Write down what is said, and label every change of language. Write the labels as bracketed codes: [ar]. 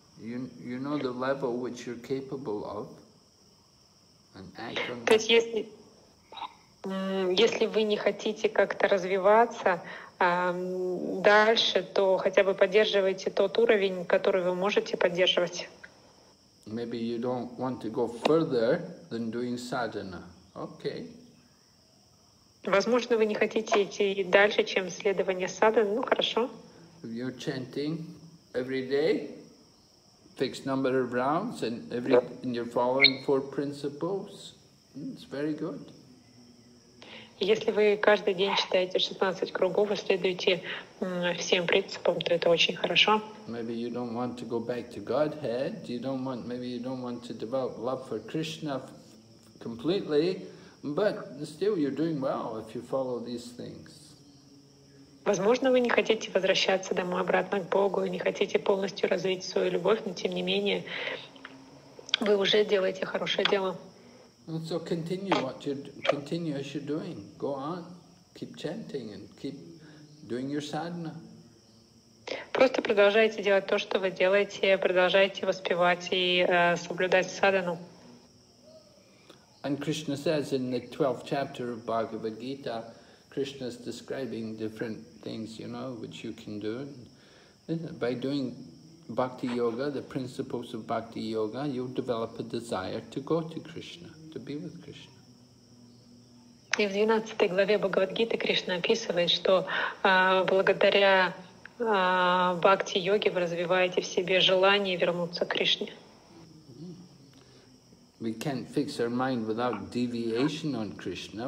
[en] You know the level which you're capable of, and act on that. [ru] То есть если вы не хотите как-то развиваться дальше, то хотя бы поддерживайте тот уровень, который вы можете поддерживать. [en] Maybe you don't want to go further than doing sadhana. Okay. [ru] Возможно, вы не хотите идти дальше, чем следование садхана. Ну хорошо. [en] If you're chanting every day, fixed number of rounds, and you're following four principles, it's very good. [ru] Если вы каждый день читаете 16 кругов и следуете всем принципам, то это очень хорошо. [en] Maybe you don't want to go back to Godhead. Maybe you don't want to develop love for Krishna completely, but still you're doing well if you follow these things. [ru] Возможно, вы не хотите возвращаться домой обратно к Богу, не хотите полностью развить свою любовь, но тем не менее, вы уже делаете хорошее дело. [en] So continue what continue as you're doing. Go on. Keep chanting and keep doing your sadhana. [ru] Просто продолжайте делать то, что вы делаете, продолжайте воспевать и соблюдать садхану. [en] And Krishna says in the 12th chapter of Bhagavad Gita, Krishna is describing different things, you know, which you can do. By doing bhakti yoga, the principles of bhakti yoga, you'll develop a desire to go to Krishna, to be with Krishna. [ru] И в 12 главе Бхагавад-гиты Кришна описывает, что благодаря бхакти йоге вы развиваете в себе желание вернуться к Кришне. [en] We can't fix our mind without deviation on Krishna.